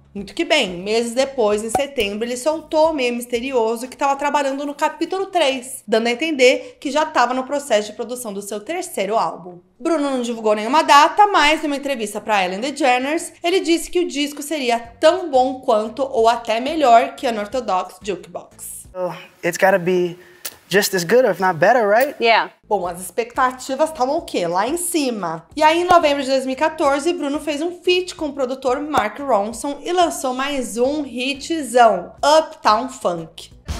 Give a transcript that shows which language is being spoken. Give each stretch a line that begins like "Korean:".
Portuguese: Muito que bem, meses depois, em setembro, ele soltou o meio misterioso que tava trabalhando no capítulo 3, dando a entender que já tava no processo de produção do seu 3º álbum. Bruno não divulgou nenhuma data, mas numa entrevista pra Ellen DeGeneres, ele disse que o disco seria tão bom quanto ou até melhor que Unorthodox Jukebox.
English: Oh, it's gotta be just as good, if not better, right? Yeah.
Portuguese: Bom, as expectativas estavam o quê? Lá em cima. E aí, em novembro de 2014, Bruno fez um feat com o produtor Mark Ronson e lançou mais um hitzão, Uptown Funk.